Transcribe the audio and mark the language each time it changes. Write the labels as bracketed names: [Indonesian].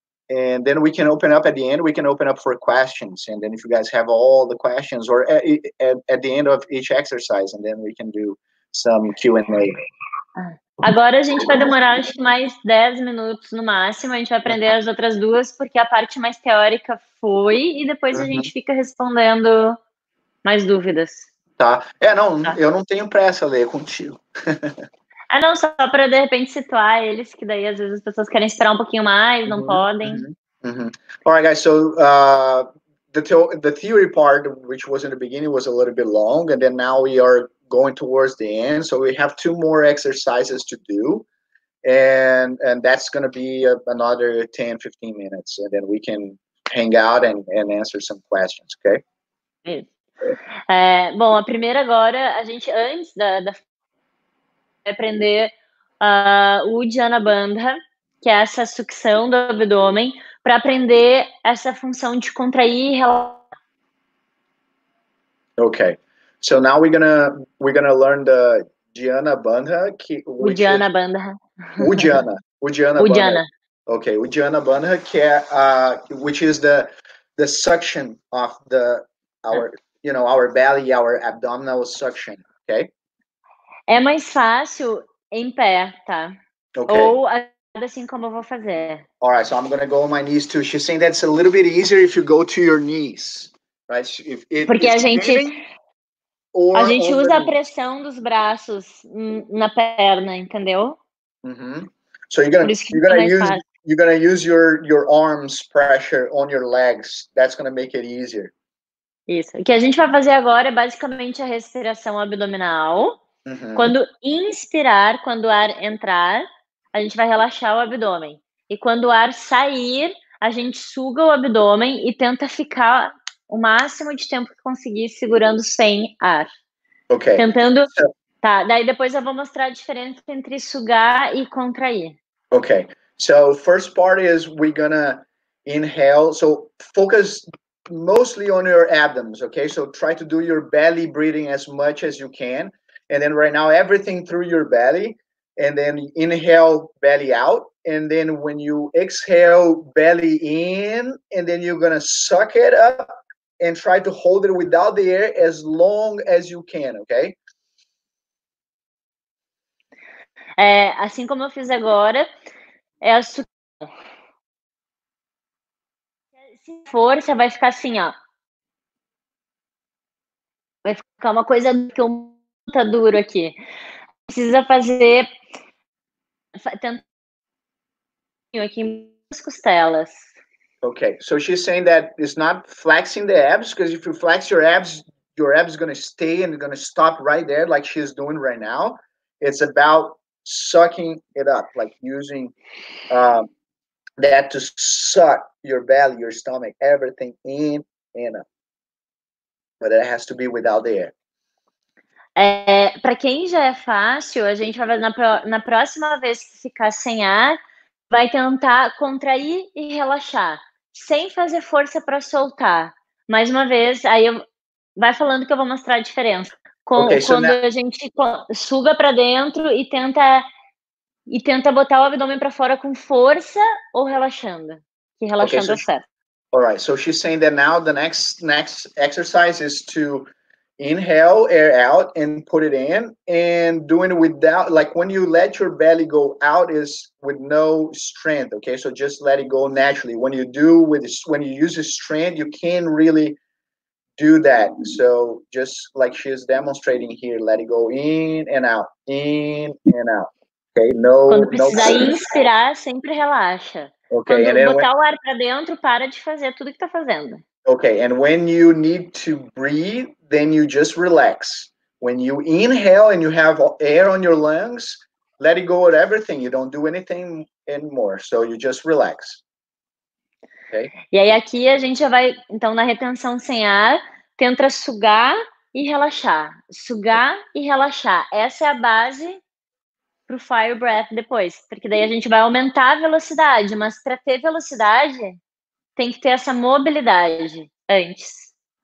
[English] And then we can open up at the end, we can open up for questions. And then if you guys have all the questions or at the end of each exercise, and then we can do some Q&A. [Portuguese] Agora a gente vai demorar acho mais 10 minutos no máximo, a gente vai aprender as outras duas, porque a parte mais teórica foi, e depois a gente fica respondendo mais dúvidas. Tá, eu não tenho pressa, Lê, contigo. Ah, não, só para, de repente, situar eles, que daí, às vezes, as pessoas querem esperar um pouquinho mais, não podem. [English] All right, guys, so the theory part, which was in the beginning, was a little bit long, and then now we are going towards the end, so we have two more exercises to do, and that's going to be another 10, 15 minutes, and then we can hang out and answer some questions, okay? [Portuguese] Bom, a primeira agora, a gente, antes da aprender o Udiana Bandha, que é essa sucção do abdômen, para aprender essa função de contrair e relaxar. [English] Okay. So now we're gonna learn the Udiana Bandha. Udiana Bandha. Udiana. Udiana. Udiana. Okay. Udiana Bandha, que é, which is the suction of the our belly, our abdominal suction. Okay. [Portuguese] É mais fácil em pé, tá? [English] Okay. [Portuguese] Ou assim como eu vou fazer. [English] All right, so I'm going to go on my knees too. She's saying that it's a little bit easier if you go to your knees, right? If [Portuguese] it, porque a gente usa a pressão dos braços na perna, entendeu? Mm-hmm. [English] So you're going to use your arms pressure on your legs. That's going to make it easier. [Portuguese] Isso. O que a gente vai fazer agora é basicamente a respiração abdominal. Quando inspirar, quando o ar entrar, a gente vai relaxar o abdômen. E quando o ar sair, a gente suga o abdômen e tenta ficar o máximo de tempo que conseguir segurando sem ar. Ok. Tentando... Tá, daí depois eu vou mostrar a diferença entre sugar e contrair. [English] Ok. So, first part is we're gonna inhale. So, focus mostly on your abdomens, ok? So, try to do your belly breathing as much as you can. And then right now, everything through your belly, and then inhale, belly out. And then when you exhale, belly in, and then you're going to suck it up and try to hold it without the air as long as you can, okay? [Portuguese] Assim como eu fiz agora, é a sua força vai ficar assim, ó. Vai ficar uma coisa que eu... Tá duro aqui. Precisa fazer. Tentar aqui nas costelas. [English] Ok. So she's saying that it's not flexing the abs, because if you flex your abs are going to stay and going to stop right there, like she's doing right now. It's about sucking it up, like using that to suck your belly, your stomach, everything in and out. But it has to be without the air. [Portuguese] Para quem já é fácil, a gente vai na próxima vez que ficar sem ar, vai tentar contrair e relaxar, sem fazer força para soltar. Mais uma vez, aí vai falando que eu vou mostrar a diferença. A gente suga para dentro e tenta botar o abdômen para fora com força ou relaxando. Que relaxando é certo. [English] All right, so she's saying that now the next exercise is to inhale, air out, and put it in, and doing it without, like when you let your belly go out is with no strength, okay? So just let it go naturally. When you do with this, when you use a strength, you can't really do that. So just like she's demonstrating here, let it go in and out, okay? No, [Portuguese] quando precisar no inspirar, sempre relaxa. [English] Okay, [Portuguese] quando and botar o ar para dentro, para de fazer tudo que tá fazendo. [English] Okay, and when you need to breathe, then you just relax. When you inhale and you have air on your lungs, let it go of everything. You don't do anything anymore. So you just relax. Okay? [Portuguese] E aí aqui a gente já vai, então, na retenção sem ar, tenta sugar e relaxar. Sugar e relaxar. Essa é a base para o fire breath depois. Porque daí a gente vai aumentar a velocidade. Mas para ter velocidade, tem que ter essa mobilidade antes.